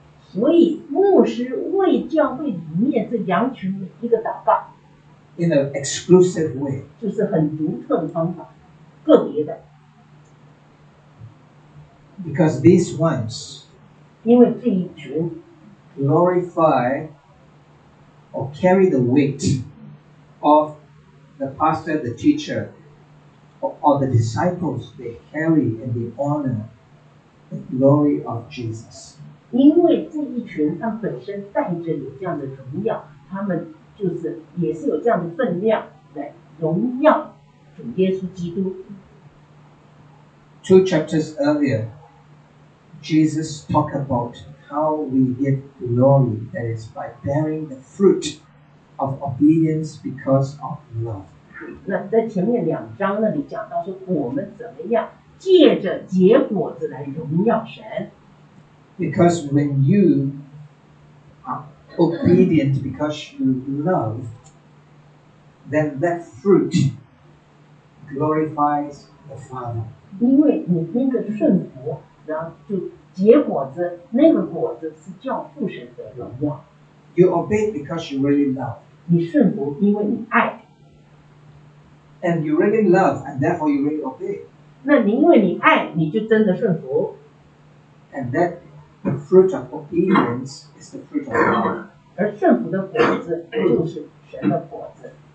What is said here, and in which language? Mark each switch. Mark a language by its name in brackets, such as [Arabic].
[Chinese] 所以牧师为教会里面这羊群每一个祷告。 [English] in an exclusive way. [Chinese] 就是很独特的方法，个别的。 [English] Because these ones, [Chinese] 因为这一群 [English] glorify or carry the weight of the pastor, the teacher, or the disciples, they carry and they honor the glory of Jesus. [Chinese] 因为这一群他本身带着有这样的荣耀，他们就是也是有这样的分量来荣耀主耶稣基督。 [English] Two chapters earlier. Jesus talked about how we get glory, that is by bearing the fruit of obedience because of love. [Chinese] 那在前面两章那里讲到说我们怎么样借着结果子来荣耀神。 [English] Because when you are obedient because you love, then that fruit glorifies the Father. [Chinese] 因为你因着顺服，然后就结果子，那个果子是叫父神的荣耀。 [English] You obey because you really love. [Chinese] 你顺服，因为你爱。 [English] And you really love, and therefore you really obey. [Chinese] 那你因为你爱，你就真的顺服。 [English] And that the fruit of obedience is the fruit of love. [Chinese] 而顺服的果子就是神的果子。